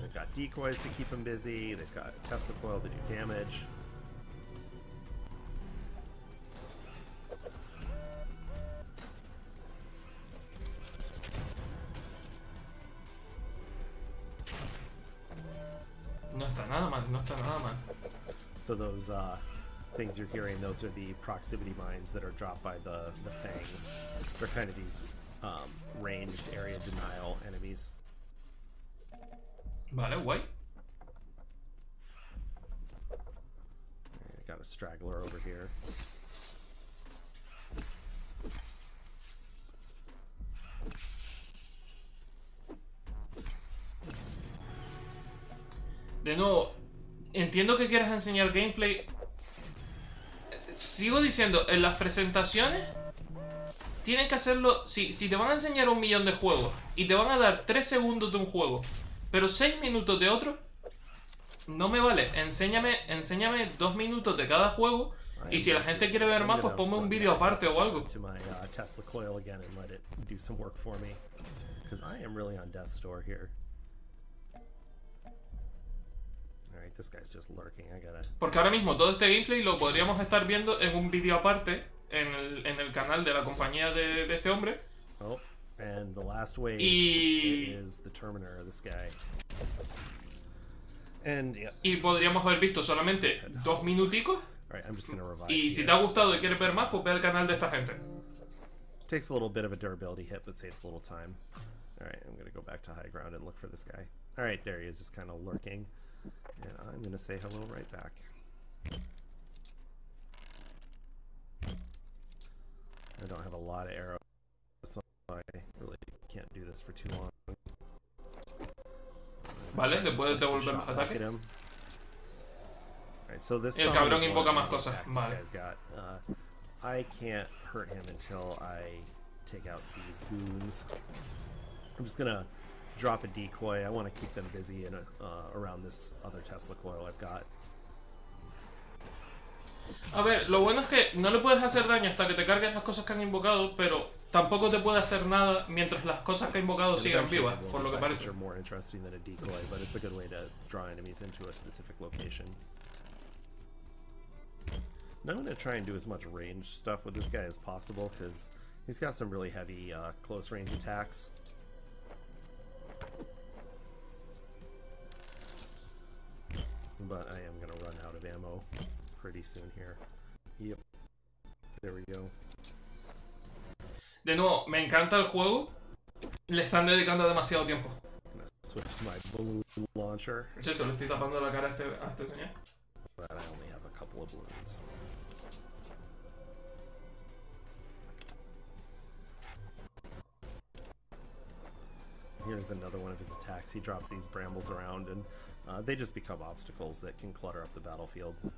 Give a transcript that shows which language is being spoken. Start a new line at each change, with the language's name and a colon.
English: They've got decoys to keep him busy, they've got Tesla coil to do damage.
Spanish: No está nada mal, no está nada mal.
English: So those things you're hearing, those are the proximity mines that are dropped by the fangs. They're kind of these ranged area denial enemies.
Spanish: Vale, guay.
English: I got a straggler over here.
Spanish: De nuevo, entiendo que quieras enseñar gameplay. Sigo diciendo, en las presentaciones tienen que hacerlo. Si te van a enseñar un millón de juegos y te van a dar 3 segundos de un juego, pero 6 minutos de otro, no me vale. Enséñame 2 minutos de cada juego. Y si la gente quiere ver más, pues ponme un vídeo aparte o algo.
English: To my Tesla coil again and let it do some work for me. Because I am really on death's door here. This guy's just lurking. I gotta...
Spanish: Porque ahora mismo todo este gameplay lo podríamos estar viendo en un vídeo aparte en el canal de la compañía de este hombre.
English: Oh, and the last wave is the Terminator, this guy. And, yeah.
Spanish: Y podríamos haber visto solamente 2 minuticos.
English: All right, I'm just gonna revive.
Spanish: Y si te ha gustado y quieres ver más, pues ve al canal de esta gente.
English: Takes a little bit of a durability hit, but saves a little time. Alright, I'm gonna go back to high ground and look for this guy. Alright, there he is, just kind of lurking. And I'm gonna say hello right back. I don't have a lot of arrows, so I really can't do this for too long.
Spanish: Vale, le puedes devolver más ataque. El cabrón invoca más cosas. Vale.
English: This guy's got. I can't hurt him until I take out these goons. I'm just gonna drop a decoy. I want to keep them busy in around this other Tesla coil I've got.
Spanish: A ver, lo bueno es que no le puedes hacer daño hasta que te carguen las cosas que han invocado, pero tampoco te puede hacer nada mientras las cosas que ha invocado sigan vivas, por lo que parece.
English: They're more interesting than a decoy, but it's a good way to draw enemies into a specific location. Now I'm going to try and do as much range stuff with this guy as possible, because he's got some really heavy close range attacks. But I am going to run out of ammo pretty soon here. Yep. There we go.
Spanish: De nuevo, me encanta el juego. Le están dedicando demasiado tiempo.
English: I'm going to switch my balloon launcher.
Spanish: Cierto, le estoy tapando la cara a este señor.
English: But I only have a couple of balloons. Here's another one of his attacks. He drops these brambles around, and they just become obstacles that can clutter up the battlefield.